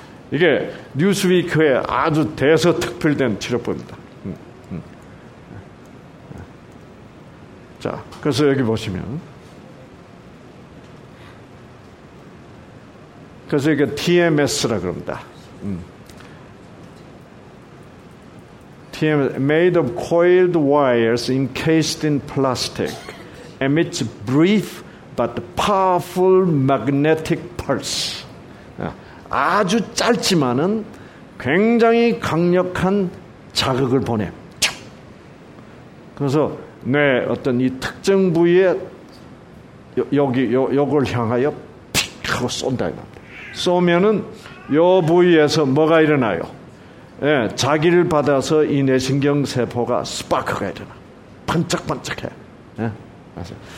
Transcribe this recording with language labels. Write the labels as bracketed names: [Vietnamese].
[Korean] 이게 뉴스위크의 아주 대서특필된 치료법입니다. 자, 그래서 여기 보시면. 그래서 이게 TMS라 그럽니다. [English] TMS, made of coiled wires encased in plastic, emits brief but powerful magnetic pulse. [Korean] 아주 짧지만은 굉장히 강력한 자극을 보내. 그래서 뇌 어떤 이 특정 부위에 요걸 향하여 픽 하고 쏜다. 쏘면은 요 부위에서 뭐가 일어나요? 예, 자기를 받아서 이 뇌신경 세포가 스파크가 일어나. 반짝반짝해. 예, 아세요?